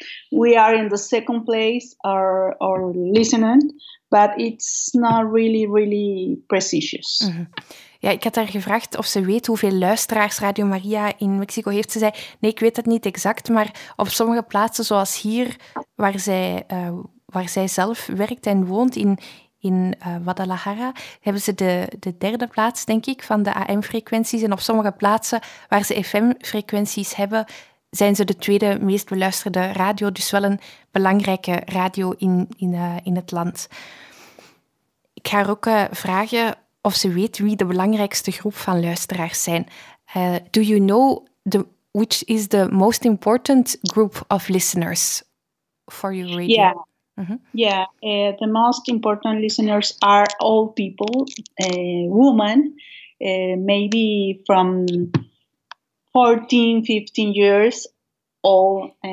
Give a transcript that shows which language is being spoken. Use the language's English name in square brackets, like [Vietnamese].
[English] We are in the second place or listening, but it's not really, really precious. Mm-hmm. [Dutch] Ja, ik had haar gevraagd of ze weet hoeveel luisteraars Radio Maria in Mexico heeft. Ze zei, nee, ik weet het niet exact, maar op sommige plaatsen zoals hier, waar zij zelf werkt en woont in Guadalajara, hebben ze de derde plaats, denk ik, van de AM-frequenties. En op sommige plaatsen waar ze FM-frequenties hebben, zijn ze de tweede meest beluisterde radio. Dus wel een belangrijke radio in het land. Ik ga haar ook vragen of ze weet wie de belangrijkste groep van luisteraars zijn. [English] Do you know which is the most important group of listeners for your radio? Yeah, mm-hmm. Yeah. The most important listeners are all people, women, maybe from 14, 15 years old.